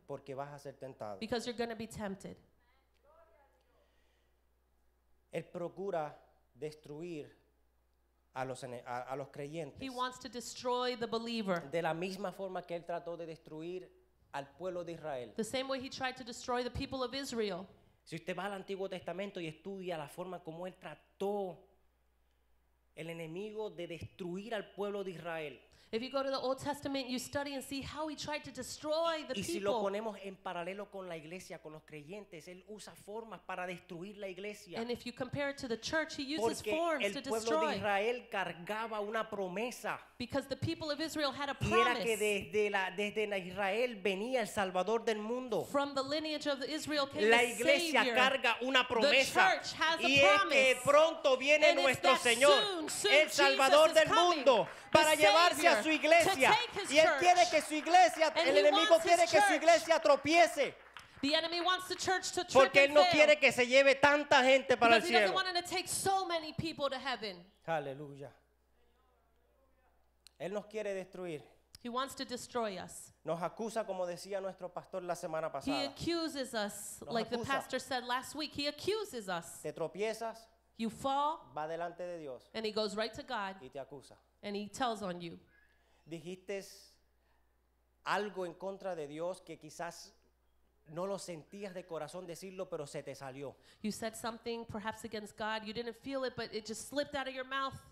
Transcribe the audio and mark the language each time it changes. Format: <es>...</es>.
<es>Porque vas a ser tentado.</es> <en>Because you're going to be tempted.</en> <es>Él procura destruir a los creyentes.</es> <en>He wants to destroy the believer.</en> <es>De la misma forma que él trató de destruir al pueblo de Israel.</es> <en>The same way he tried to destroy the people of Israel.</en> <es>Si usted va al Antiguo Testamento y estudia la forma como él trató el enemigo de destruir al pueblo de Israel.</es> <en>If you go to the Old Testament, you study and see how he tried to destroy the people.</en> <es>Y si lo ponemos en paralelo con la iglesia, con los creyentes, él usa formas para destruir la iglesia.</es> <en>And if you compare it to the church, he uses</en> <es>Porque</es> <en>forms to destroy.</en> <es>Porque el pueblo de Israel cargaba una promesa.</es> <en>Because the people of Israel had a promise.</en> <es>Y era que desde Israel venía el Salvador del mundo.</es> <en>From the lineage of Israel came the</en> <es>Savior. La iglesia carga una promesa.</es> <en>The church has a promise.</en> <es>Y es que pronto viene</es> <en>and</en> <es>nuestro Señor,</es> <en>soon,</en> <es>el Salvador</es> <en>Jesus</en> <es>del mundo,</es> <en>coming,</en> <es>para llevarse a su iglesia y él quiere que su iglesia</es> <en>and</en> <es>el enemigo quiere que su iglesia tropiece</es> <en>the enemy wants the church to trip</en> <es>porque él no</es> <en>fail.</en> <es>Quiere que se lleve tanta gente para</es> <en>because</en> <es>el cielo</es> <en>he doesn't want to take so many people to heaven.</en> <es>Aleluya. Él nos quiere destruir.</es> <en>He wants to destroy us.</en> <es>Nos acusa, como decía nuestro pastor la semana pasada.</es> <en>He accuses us like the pastor said last week. He accuses us.</en> <es>Te tropiezas,</es> <en>you fall,</en> <es>va delante de Dios,</es> <en>and he goes right to God,</en> <es>y te acusa.</es> <en>And he tells on you.</en> <es>Dijiste algo en contra de Dios que quizás no lo sentías de corazón decirlo, pero se te salió.</es> <en>You said something perhaps against God. You didn't feel it, but it just slipped out of your mouth.</en>